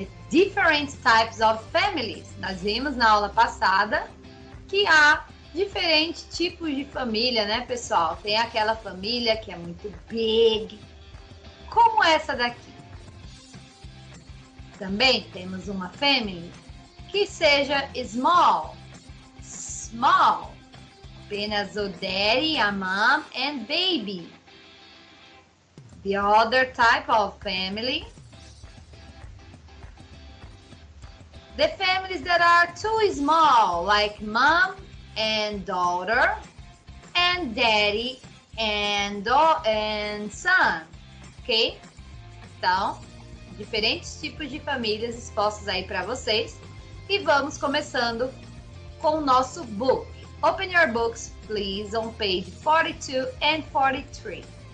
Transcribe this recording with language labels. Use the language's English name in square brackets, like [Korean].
[English] Different types of families. [Portuguese] Nós vimos na aula passada que há diferentes tipos de família, né, pessoal? Tem aquela família que é muito big, como essa daqui. Também temos uma family que seja small. [English] Small. [Portuguese] Apenas o [English] daddy, a mom and baby. The other type of family. The families that are too small, like mom and daughter, and daddy and son, ok? [Portuguese] Então, diferentes tipos de famílias expostas aí para vocês. E vamos começando com o nosso book. [English] Open your books, please, on page 42 and 43.